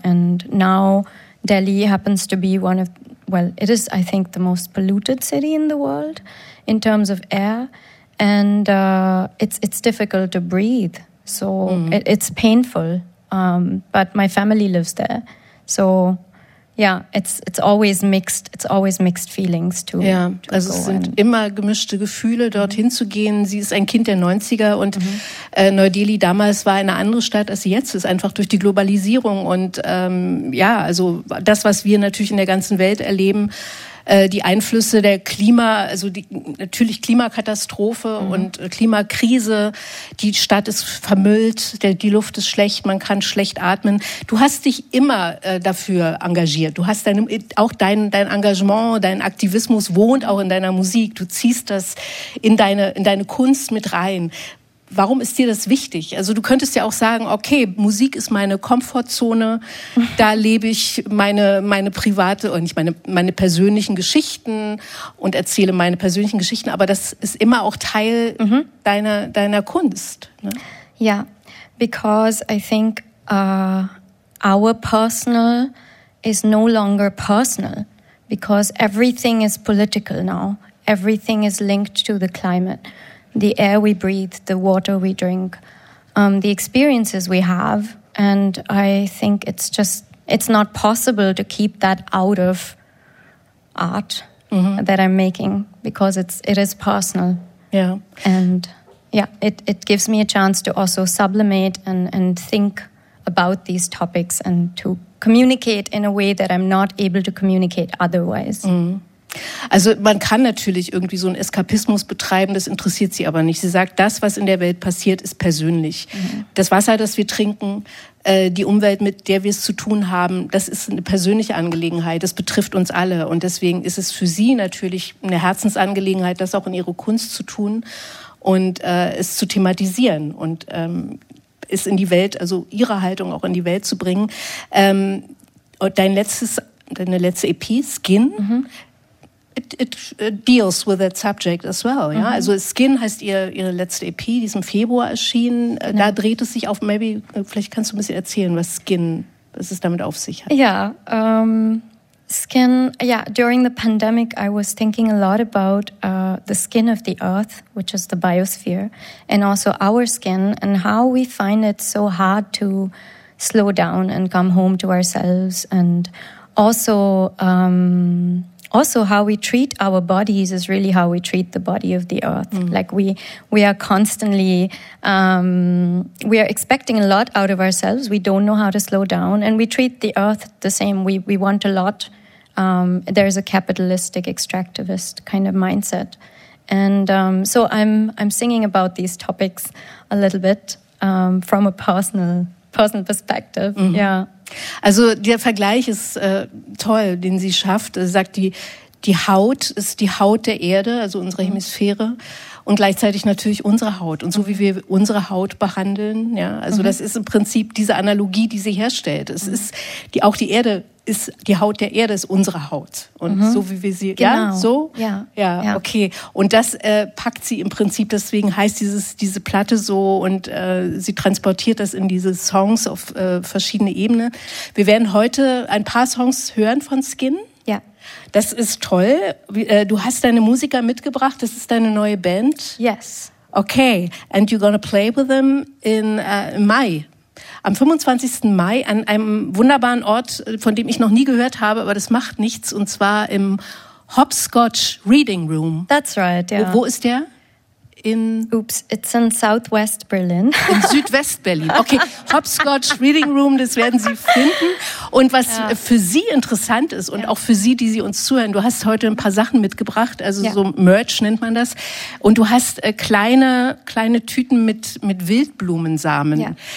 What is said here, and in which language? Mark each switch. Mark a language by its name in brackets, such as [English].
[English] And now Delhi happens to be it is, I think, the most polluted city in the world in terms of air, and it's difficult to breathe. So it's painful, but my family lives there. So yeah, it's always mixed. It's always mixed feelings too. [German] Ja, also es sind immer gemischte Gefühle, dorthin zu gehen. Sie ist ein Kind der 90er und Neu-Delhi damals war eine andere Stadt als sie jetzt ist, einfach durch die Globalisierung und ja, also das, was wir natürlich in der ganzen Welt erleben. Die Einflüsse der Klima, also die, natürlich Klimakatastrophe und Klimakrise. Die Stadt ist vermüllt, die Luft ist schlecht, man kann schlecht atmen. Du hast dich immer dafür engagiert. Du hast dein Engagement, dein Aktivismus wohnt auch in deiner Musik. Du ziehst das in deine Kunst mit rein. Warum ist dir das wichtig? Also du könntest ja auch sagen, okay, Musik ist meine Komfortzone, da lebe ich meine persönlichen Geschichten und erzähle meine persönlichen Geschichten, aber das ist immer auch Teil deiner Kunst. Ne? [English] Ja, because I think our personal is no longer personal. because everything is political now. Everything is linked to the climate, the air we breathe, the water we drink, the experiences we have. And I think it's just, it's not possible to keep that out of art that I'm making, because it is personal. Yeah. And yeah, it gives me a chance to also sublimate and think about these topics and to communicate in a way that I'm not able to communicate otherwise. Mm. [German] Also man kann natürlich irgendwie so einen Eskapismus betreiben, das interessiert sie aber nicht. Sie sagt, das, was in der Welt passiert, ist persönlich. Mhm. Das Wasser, das wir trinken, die Umwelt, mit der wir es zu tun haben, das ist eine persönliche Angelegenheit, das betrifft uns alle. Und deswegen ist es für sie natürlich eine Herzensangelegenheit, das auch in ihre Kunst zu tun und es zu thematisieren und es in die Welt, also ihre Haltung auch in die Welt zu bringen. Deine letzte EP, [English] Skin, It deals with that subject as well. [German] Mhm. Ja? Also Skin heißt ihre letzte EP, die ist im Februar erschienen. Ja. Da dreht es sich auf, [English] maybe, [German] vielleicht kannst du ein bisschen erzählen, was es damit auf sich hat. [English] Ja, Skin, yeah, during the pandemic I was thinking a lot about the skin of the earth, which is the biosphere, and also our skin and how we find it so hard to slow down and come home to ourselves, and also also how we treat our bodies is really how we treat the body of the earth. Mm. Like we are constantly, we are expecting a lot out of ourselves. We don't know how to slow down, and we treat the earth the same. We want a lot. There's a capitalistic extractivist kind of mindset. And so I'm singing about these topics a little bit from a personal perspective. Mm-hmm. Yeah. [German] Also der Vergleich ist toll, den sie schafft. Sie sagt, die Haut ist die Haut der Erde, also unsere Hemisphäre, und gleichzeitig natürlich unsere Haut. Und so wie wir unsere Haut behandeln, ja, also das ist im Prinzip diese Analogie, die sie herstellt. Es ist die, auch die Erde ist die Haut der Erde, ist unsere Haut. Und so wie wir sie, genau. Ja, so? Ja. Ja, ja. Okay. Und das packt sie im Prinzip, deswegen heißt diese Platte so, und sie transportiert das in diese Songs auf verschiedene Ebenen. Wir werden heute ein paar Songs hören von Skin. Ja. Das ist toll. Du hast deine Musiker mitgebracht, das ist deine neue Band. [English] Yes. Okay. And you're gonna play with them in Mai. [German] Am 25. Mai an einem wunderbaren Ort, von dem ich noch nie gehört habe, aber das macht nichts, und zwar im Hopscotch Reading Room. [English] That's right, yeah. [German] Wo ist der? [English] It's in Southwest Berlin. [German] In Südwest-Berlin. Okay, Hopscotch Reading Room, das werden Sie finden. Und was für Sie interessant ist und auch für Sie, die Sie uns zuhören, du hast heute ein paar Sachen mitgebracht, also so Merch nennt man das. Und du hast kleine Tüten mit Wildblumensamen. Ja.